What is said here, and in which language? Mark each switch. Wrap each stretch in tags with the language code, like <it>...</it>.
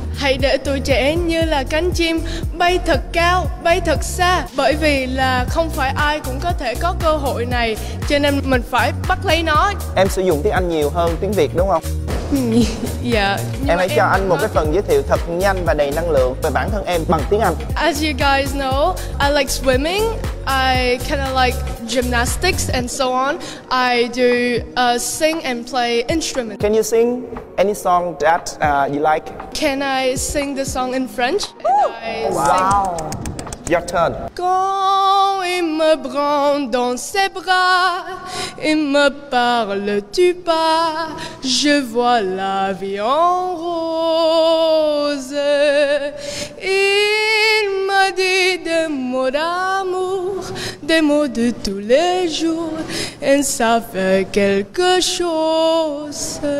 <vi>Hãy để tuổi trẻ như là cánh chim bay thật cao, bay thật xa, bởi vì là không phải ai cũng có thể có cơ hội này, cho nên mình phải bắt lấy nó. Em sử dụng tiếng Anh nhiều hơn tiếng Việt đúng không? Dạ. Em hãy cho anh một cái phần giới thiệu thật nhanh và đầy năng lượng về bản thân em bằng tiếng Anh.</vi> <en>As you guys know, I like swimming. I kind of like gymnastics and so on. I do sing and play instruments. Can you sing any song that you like? Can I sing the song in French? Wow. Your turn.</en> <fr>Quand il me prend dans ses bras, il me parle tu pas, je vois la vie en rose. Il me dit des mots d'amour, des mots de tous les jours, et ça fait quelque chose.</fr>